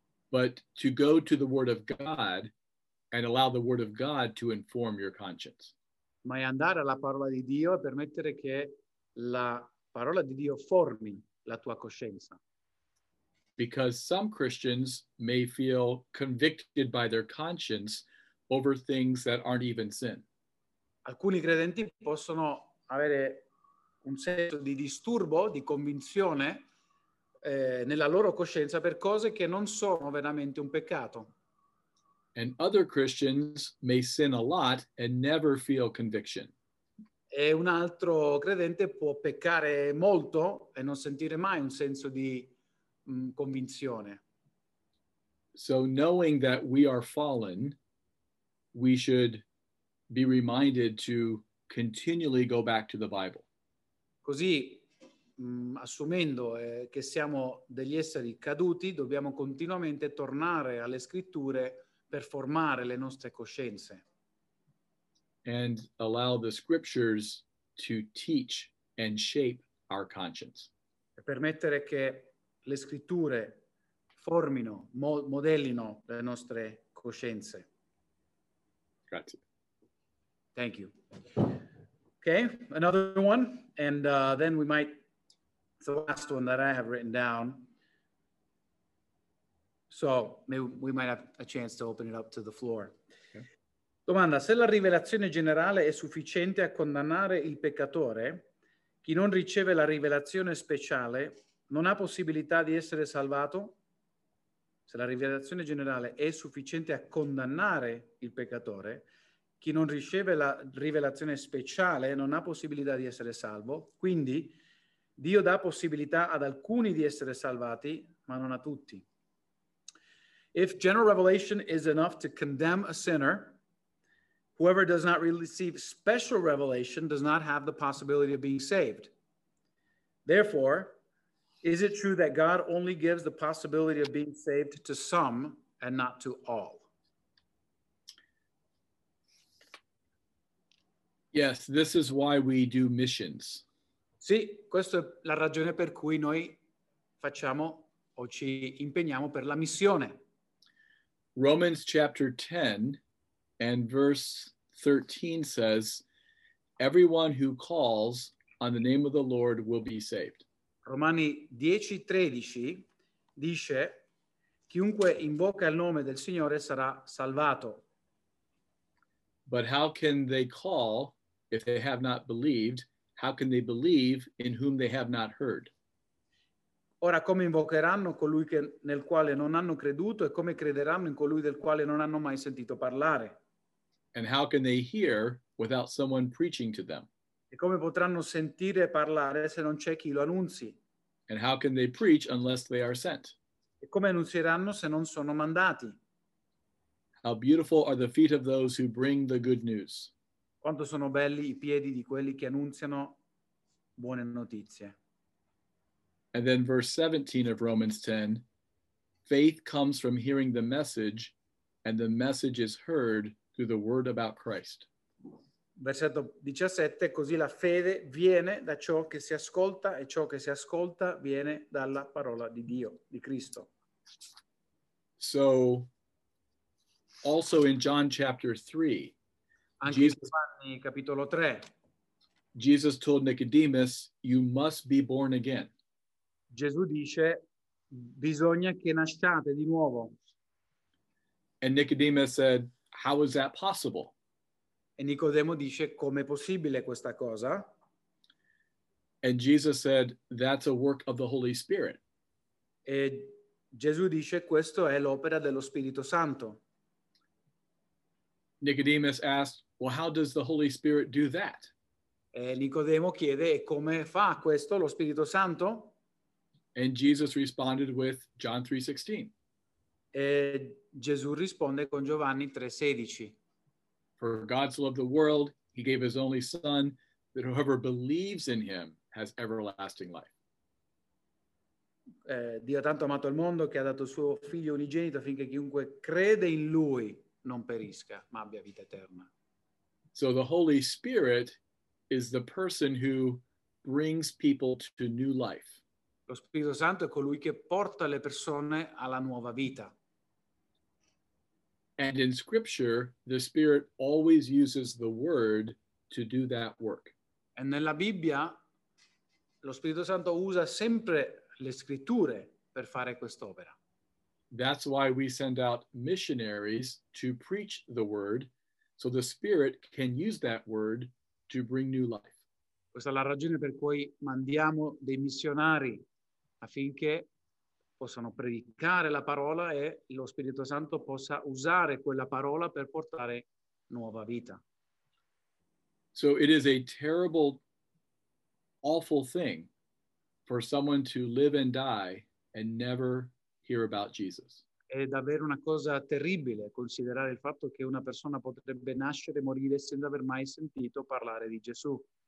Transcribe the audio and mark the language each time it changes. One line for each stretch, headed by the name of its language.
English: But to go to the Word of God and allow the Word of God to inform your conscience.
Italian: Ma è andare alla parola di Dio e permettere che la parola di Dio formi la tua coscienza.
English: Because some Christians may feel convicted by their conscience over things that aren't even sin.
Italian: Alcuni credenti possono avere un senso di disturbo, di convinzione, nella loro coscienza per cose che non sono veramente un peccato.
English: And other Christians may sin a lot and never feel conviction.
Italian: E un altro credente può peccare molto e non sentire mai un senso di convinzione.
English: So knowing that we are fallen, we should be reminded to continually go back to the Bible.
Italian: Così, assumendo che siamo degli esseri caduti, dobbiamo continuamente tornare alle scritture per formare le nostre coscienze.
English: And allow the scriptures to teach and shape our conscience.
Italian: E permettere che le scritture formino, modellino le nostre coscienze. Grazie.
English: Thank you. Okay, another one, and then we might, it's the last one that I have written down. So, maybe we might have a chance to open it up to the floor. Okay.
Italian: Domanda, se la rivelazione generale è sufficiente a condannare il peccatore, chi non riceve la rivelazione speciale non ha possibilità di essere salvato? Se la rivelazione generale è sufficiente a condannare il peccatore, chi non riceve la rivelazione speciale non ha possibilità di essere salvo. Quindi, Dio dà possibilità ad alcuni di essere salvati, ma non a tutti.
English: If general revelation is enough to condemn a sinner, whoever does not receive special revelation does not have the possibility of being saved. Therefore, is it true that God only gives the possibility of being saved to some and not to all? Yes, this is why we do missions.
Italian: Sì, questa è la ragione per cui noi facciamo o ci impegniamo per la missione.
English: Romans chapter 10 and verse 13 says, everyone who calls on the name of the Lord will be saved.
Italian: Romani 10:13 dice, chiunque invoca il nome del Signore sarà salvato.
English: But how can they call if they have not believed, how can they believe in whom they have not heard?
Italian: Ora come invocheranno colui che, nel quale non hanno creduto e come crederanno in colui del quale non hanno mai sentito parlare?
English: And how can they hear without someone preaching to them?
Italian: E come potranno sentire parlare se non c'è chi lo annunzi?
English: And how can they preach unless they are sent?
Italian: E come annunzieranno se non sono mandati?
English: How beautiful are the feet of those who bring the good news.
Italian: Quanto sono belli i piedi di quelli che annunziano buone notizie.
English: And then verse 17 of Romans 10, faith comes from hearing the message, and the message is heard through the word about Christ.
Italian: Versetto 17, così la fede viene da ciò che si ascolta, e ciò che si ascolta viene dalla parola di Dio, di Cristo.
English: So, also in John chapter 3,
Italian: anche Jesus, in Giovanni capitolo 3,
English: Jesus told Nicodemus, you must be born again.
Italian: Gesù dice, bisogna che nasciate di nuovo.
English: And Nicodemus said, how is that possible?
Italian: E Nicodemo dice, com'è possibile questa cosa?
English: And Jesus said, that's a work of the Holy Spirit.
Italian: E Gesù dice, questo è l'opera dello Spirito Santo.
English: Nicodemus asked, well, how does the Holy Spirit do that?
Italian: E Nicodemo chiede, e come fa questo lo Spirito Santo?
English: And Jesus responded with John 3:16.
Italian: E Gesù risponde con Giovanni 3:16.
English: For God so loved the world, he gave his only son, that whoever believes in him has everlasting life.
Italian: Dio tanto amato il mondo che ha dato suo figlio unigenito affinché chiunque crede in lui non perisca, ma abbia vita eterna.
English: So the Holy Spirit is the person who brings people to new life.
Italian: Lo Spirito Santo è colui che porta le persone alla nuova vita.
English: And in Scripture, the Spirit always uses the Word to do that work.
Italian: E nella Bibbia, lo Spirito Santo usa sempre le Scritture per fare quest'opera.
English: That's why we send out missionaries to preach the Word, so the Spirit can use that Word to bring new life.
Italian: Questa è la ragione per cui mandiamo dei missionari affinché possano predicare la parola e lo Spirito Santo possa usare quella parola per portare nuova vita.
English: So it is a terrible, awful thing for someone to live and die and never hear about Jesus.
Italian: È davvero una cosa terribile considerare il fatto che una persona potrebbe nascere e morire senza aver mai sentito parlare di Gesù.